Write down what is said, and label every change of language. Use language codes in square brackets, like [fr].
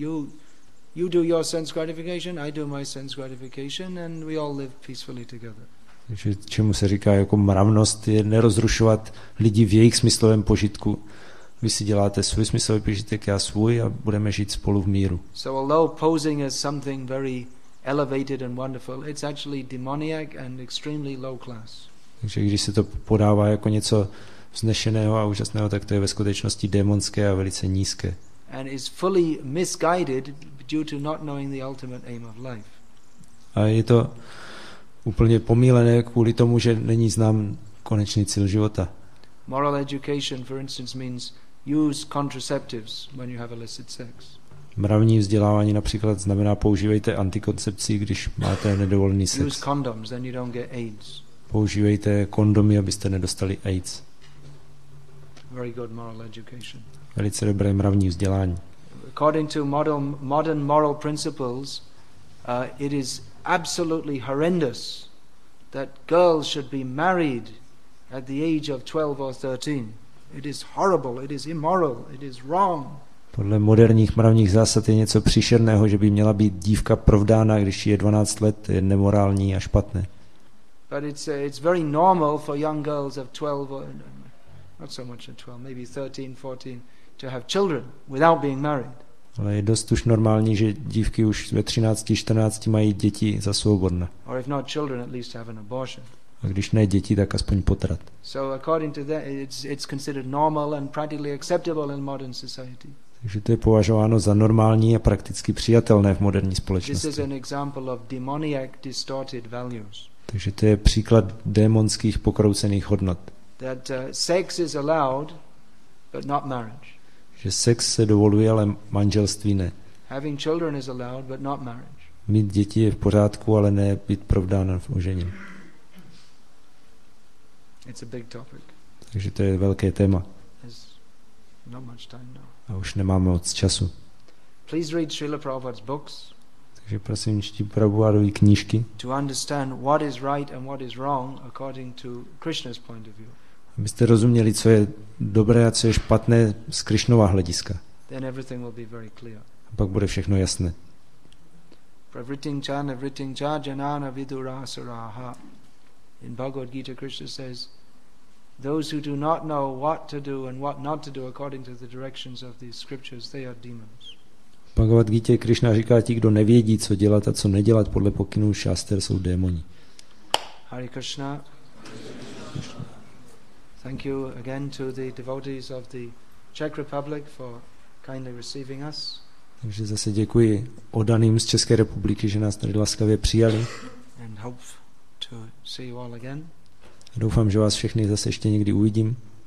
[en] You do your sense gratification, I do my sense gratification and we all live peacefully together. [cs] Takže čemu se říká jako mravnost je nerozrušovat lidi v jejich smyslovém požitku. Vy si děláte svůj smyslový požitek, já svůj a budeme žít spolu v míru. [en] So although posing as something very elevated and wonderful, it's actually demoniac and extremely low class. [cs] Takže když se to podává jako něco vznešeného a úžasného, tak to je ve skutečnosti démonské a velice nízké. [en] And is fully misguided due to not knowing the ultimate aim of life. [cs] A je to úplně pomílené kvůli tomu, že není znám konečný cíl života. [en] Moral education, for instance, means use contraceptives when you have illicit sex. [cs] Mravní vzdělávání například znamená používejte antikoncepci, když máte nedovolený sex. [en] Use condoms, then you don't get AIDS. [cs] Používejte kondomy, abyste nedostali AIDS. [en] Very good moral education. [cs] Velice dobré mravní vzdělání. [en] According to modern moral principles, it is absolutely horrendous that girls should be married at the age of 12 or 13. It is horrible, it is immoral, it is wrong. [cs] Podle moderních mravních zásad je něco příšerného, že by měla být dívka provdána, když je 12 let, je nemorální a špatné. [en] But it's very normal for young girls of 12 or not so much at 12, maybe 13, 14 to have children without being married. [cs] Ale je dost už normální, že dívky už ve 13, 14 mají děti za svobodné. [en] Or if not children, at least have an abortion. [cs] A když ne děti, tak aspoň potrat. [en] So according to that, it's considered normal and practically acceptable in modern society. [cs] Takže to je považováno za normální a prakticky přijatelné v moderní společnosti. [en] This is an example of demoniac distorted values. [cs] Takže to je příklad démonských pokroucených hodnot. [en] That sex is allowed, but not marriage. [cs] Že sex se dovoluje, ale manželství ne. [en] Having children is allowed, but not marriage. [cs] Mít děti je v pořádku, ale ne být provdána v ožením. [en] It's a big topic. [cs] Takže to je velké téma. [en] There's not much time now. [cs] A už nemáme moc času. [en] Please read Srila Prabhupada's books. [cs] Takže prosím, čti Prabhupádovy knížky. [en] To understand what is right and what is wrong according to Krishna's point of view. [cs] Abyste rozuměli, co je dobré a co je špatné z Krišnova hlediska. [en] Then everything will be very clear. [cs] A pak bude všechno jasné. [sa] Pravritingcha janana vidurasuraha. [en] In Bhagavad Gita Krishna says, those who do not know what to do and what not to do according to the directions of these scriptures, they are demons. [cs] Bhagavad Gita Krishna říká, ti, kdo nevědí, co dělat a co nedělat podle pokynů šaster, jsou démoni. [en] Hare Krishna. Thank you again to the devotees of the Czech Republic for kindly receiving us. [cs] Takže zase děkuji oddaným z České republiky, že nás tady laskavě přijali. [en] And hope to see you all again. [cs] Doufám, že vás všechny zase ještě někdy uvidím.